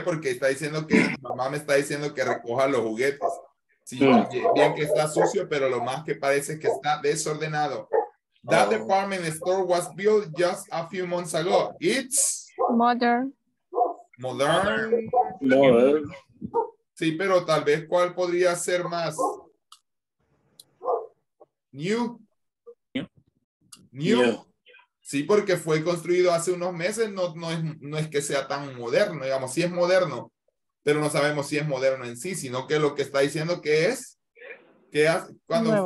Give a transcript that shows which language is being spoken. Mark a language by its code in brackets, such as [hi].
[es] Porque está diciendo que mi mamá me está diciendo que recoja los juguetes. Sí, bien que está sucio, pero lo más que parece es que está desordenado. [en] That department store was built just a few months ago. It's modern. Modern. Modern. [es] Sí, pero tal vez cuál podría ser más. [en] New. New. [es] Sí, porque fue construido hace unos meses. No es que sea tan moderno, digamos. Sí es moderno, pero no sabemos si es moderno en sí, sino que lo que está diciendo que es que cuando nuevo.